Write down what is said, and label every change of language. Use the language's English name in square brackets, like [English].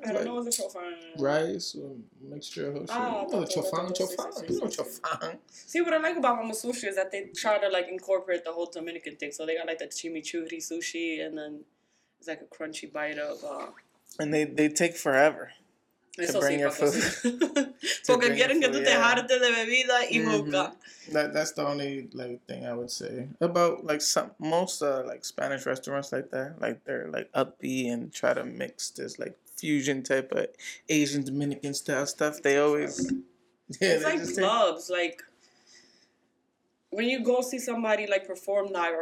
[English] I don't like, know what's a chofan. Rice or mixture of shit. Chofan. See, what I like about Mama Sushi is that they try to like incorporate the whole Dominican thing. So they got like the chimichurri sushi and then it's like a crunchy bite of. And they take forever. To bring your food. [Spanish] Porque quieren que tú te jarte de bebida y boca. [English] That's the only like thing I would say about like some most like Spanish restaurants like that, like they're like upbeat and try to mix this like fusion type of Asian Dominican style stuff. They always clubs like when you go see somebody like perform live.